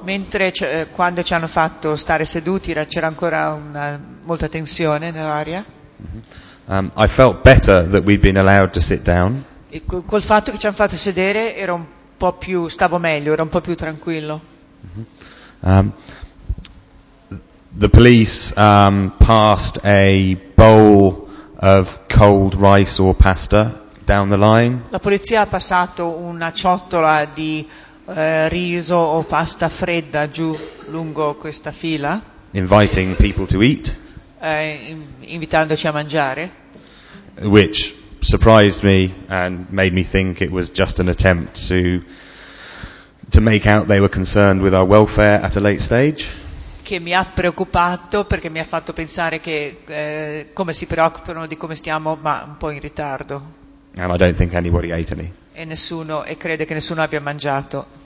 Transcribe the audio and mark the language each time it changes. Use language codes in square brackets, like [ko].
[it] Mentre quando ci hanno fatto stare seduti c'era ancora molta tensione nell'aria. Mm-hmm. [en] I felt better that we'd been allowed to sit down. [it] Col fatto che ci hanno fatto sedere era un po' più stavo meglio, era un po' più tranquillo. [en] Mm-hmm. The police passed a bowl of cold rice or pasta. Down the line. [it] La polizia ha passato una ciotola di riso o pasta fredda giù lungo questa fila. [en] Inviting people to eat. [it] Invitandoci a mangiare. [en] which surprised me and made me think it was just an attempt to make out they were concerned with our welfare at a late stage. [it] Che mi ha preoccupato perché mi ha fatto pensare che come si preoccupano di come stiamo, ma un po' in ritardo. [en] And I don't think anybody ate any. [it] E nessuno, e crede che nessuno abbia mangiato.